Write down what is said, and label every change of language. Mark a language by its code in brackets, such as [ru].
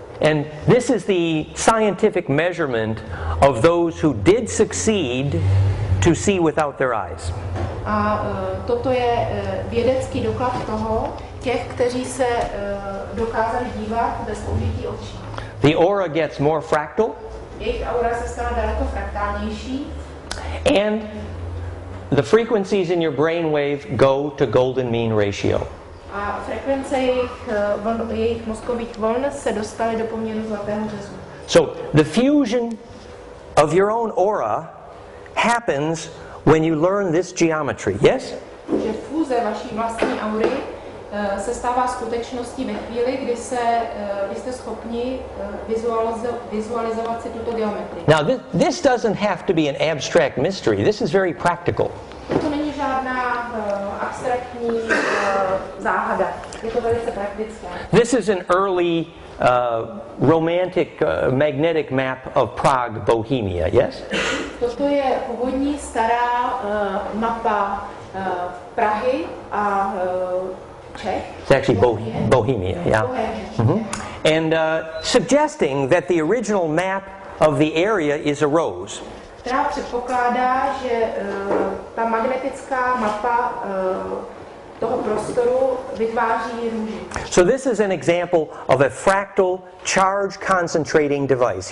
[en] And this is the scientific measurement of those who did succeed to see without their eyes. [cs] A toto je vědecký doklad toho, těch, kteří se dokázali dívat bez použití očí. [en] The aura gets more fractal. [cs] Jejich aura se stala daleko fraktálnější. [en] And the frequencies in your brain wave go to golden mean ratio. [cs] A frekvence jejich mozkových vln se dostaly do poměru zlatého řezu. [en] So the fusion of your own aura happens when you learn this geometry, yes? [cs] Že fúze vaší vlastní aury se stává skutečností ve chvíli, kdy se vy jste schopni vizualizovat si tuto geometrii. [en] Now this doesn't have to be an abstract mystery. This is very practical. [cs] To není žádná abstraktní záhada. Je to velice praktické. [en] This is an early romantic magnetic map of Prague, Bohemia, yes? [cs] Toto je původní stará mapa Prahy a Czech. [en] It's actually Bohemia, yeah. Mm-hmm. And suggesting that the original map of the area is a rose. [cs] Která předpokládá, že ta magnetická mapa toho prostoru vytváří růži. [en] So this is an example of a fractal charge concentrating device.